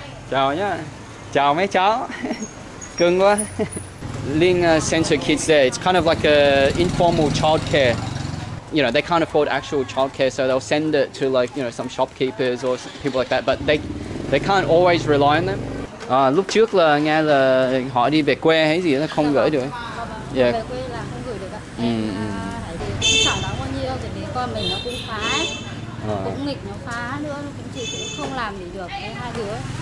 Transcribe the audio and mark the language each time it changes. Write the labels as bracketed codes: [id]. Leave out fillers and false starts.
[vi] chào nhá, chào mấy cháu cưng quá. [en] Ling sends her kids there. It's kind of like a informal childcare. You know, they can't afford actual childcare, so they'll send it to, like, you know, some shopkeepers or some people like that. But they can't always rely on them. [vi] Lúc trước là nghe là họ đi về quê hay gì đó không gửi được. [en] Yeah. [vi] Chẳng đáng bao nhiêu, chỉ vì con mình nó cũng phá, cũng nghịch nó phá nữa, cũng chị cũng không làm gì được hai đứa.